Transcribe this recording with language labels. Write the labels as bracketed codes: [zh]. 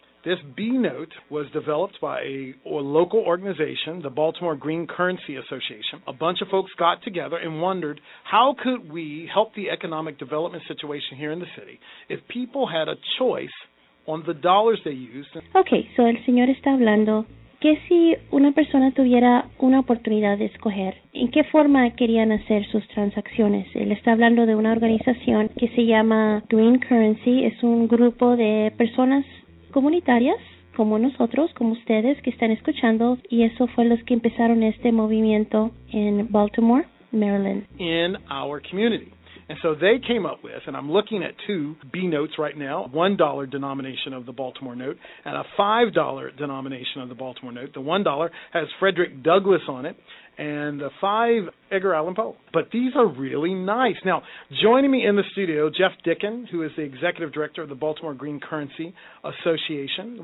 [en] This B-note was developed by a local organization, the Baltimore Green Currency Association. A bunch of folks got together and wondered, how could we help the economic development situation here in the city if people had a choice on the dollars they used? [es] Okay, so el señor está hablando. ¿Qué si una persona tuviera una oportunidad de escoger? ¿En qué forma querían hacer sus transacciones? Él está hablando de una organización que se llama Green Currency. Es un grupo de personas comunitarias, como nosotros, como ustedes, que están escuchando. Y eso fue los que empezaron este movimiento en Baltimore, Maryland. [en] In our community. And so they came up with, and I'm looking at two B notes right now, $1 denomination of the Baltimore note and a $5 denomination of the Baltimore note. The $1 has Frederick Douglass on it, and the five Edgar Allan Poe. But these are really nice. Now, joining me in the studio, Jeff Dickin, who is the executive director of the Baltimore Green Currency Association.